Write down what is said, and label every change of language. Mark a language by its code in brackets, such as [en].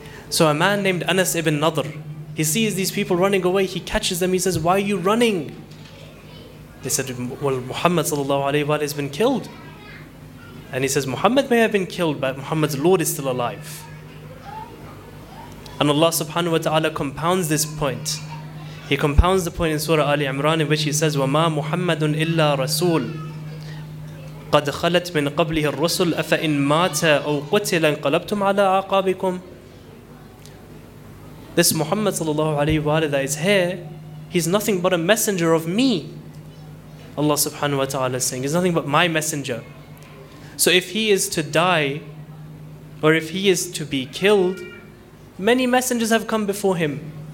[en] So a man named Anas ibn Nadr, he sees these people running away. He catches them. He says, why are you running? They said, well, Muhammad sallallahu alayhi wa has been killed. And he says, Muhammad may have been killed, but Muhammad's Lord is still alive. And Allah subhanahu wa ta'ala compounds this point. He compounds the point in Surah Ali Imran, in which he says, [ar] وَمَا مُحَمَّدٌ إِلَّا رَسُولٌ قَدْ خَلَتْ مِنْ قَبْلِهِ الرُّسُلُ أَفَإِنْ مَاتَ أَوْ قُتِلَ انْقَلَبْتُمْ عَلَىٰ عَقَابِكُمْ. [en] This Muhammad sallallahu alayhi wa that is here, he's nothing but a messenger of me. Allah subhanahu wa ta'ala is saying, he's nothing but my messenger. So if he is to die, or if he is to be killed, many messengers have come before him.